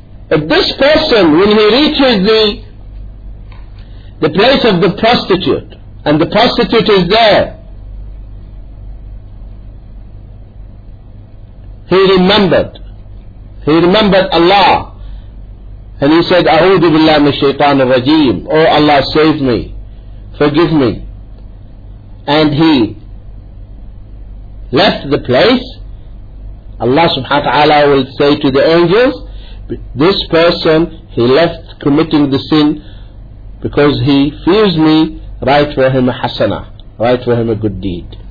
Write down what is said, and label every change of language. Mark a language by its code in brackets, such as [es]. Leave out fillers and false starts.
[en] If this person, when he reaches the place of the prostitute, and the prostitute is there, he remembered Allah And he said, [ar] أَعُوذُ بِاللَّهِ مِنَ الشَّيْطَانِ الرَّجِيمِ. [en] Oh Allah, save me, forgive me. And he left the place. Allah subhanahu wa ta'ala will say to the angels, this person, he left committing the sin because he fears me, write for him a hasana, write for him a good deed.